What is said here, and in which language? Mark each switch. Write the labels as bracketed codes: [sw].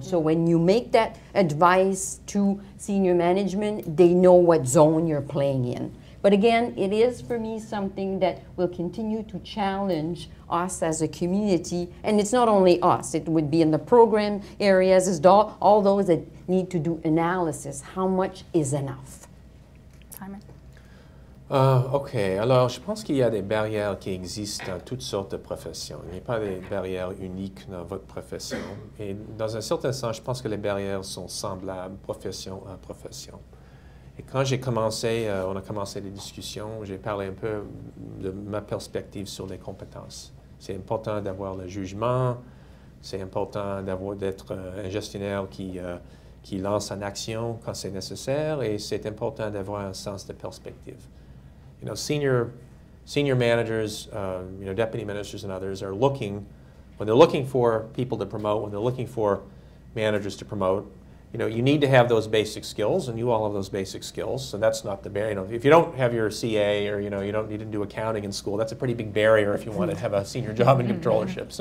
[en] So when you make that advice to senior management, they know what zone you're playing in. But again, it is for me something that will continue to challenge us as a community. And it's not only us. It would be in the program areas, all those that need to do analysis. How much is enough? Simon. OK. [fr] Alors, je pense qu'il y a des barrières qui existent dans toutes sortes de professions. Il n'y a pas des barrières uniques dans votre profession. Et dans un certain sens, je pense que les barrières sont semblables profession à profession. Et quand j'ai commencé, on a commencé les discussions, j'ai parlé un peu de ma perspective sur les compétences. C'est important d'avoir le jugement, c'est important d'être un gestionnaire qui lance en action quand c'est nécessaire, et c'est important d'avoir un sens de perspective. [en] You know, senior managers, you know, deputy managers and others are looking, when they're looking for people to promote, when they're looking for managers to promote, you know, you need to have those basic skills, and you all have those basic skills, so that's not the barrier. You know, if you don't have your CA or, you know, you don't need to do accounting in school, that's a pretty big barrier if you want to have a senior job in controllership.